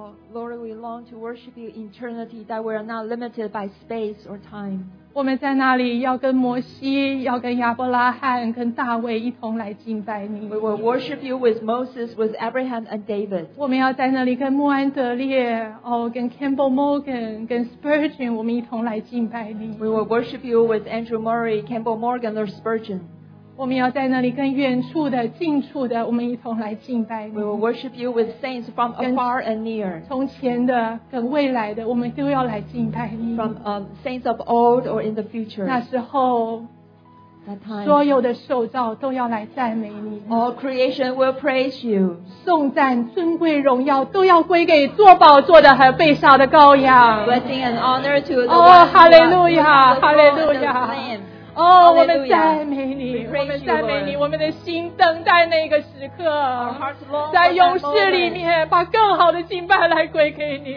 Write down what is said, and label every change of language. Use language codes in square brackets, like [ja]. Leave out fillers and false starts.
[en] Lord, we long to worship you in eternity that we are not limited by space or time. [zh] 我们在那里要跟摩西，要跟亚伯拉罕，跟大卫一同来敬拜你。 [en] We will worship you with Moses, with Abraham and David. [zh] 我们要在那里跟穆安德烈，跟 Campbell Morgan, 跟 Spurgeon, 我们一同来敬拜你。 [en] We will worship you with Andrew Murray, Campbell Morgan, or Spurgeon. [zh] 我们要在那里跟远处的近处的我们一同来敬拜你 [en] We will worship you with saints from afar and near [zh] 从前的跟未来的我们都要来敬拜你 [en] From saints of old or in the future [zh] 那时候 [en] That time, [zh] 所有的受造都要来赞美你 [en] All creation will praise you [zh] 颂赞尊贵荣耀都要归给坐宝座的和被杀的羔羊 [en] Blessing and honor to the Lord Oh, hallelujah, hallelujah [zh] Oh, 我们赞美你，我们赞美你，我们的心等待那个时刻，在勇士里面把更好的敬拜来归给你。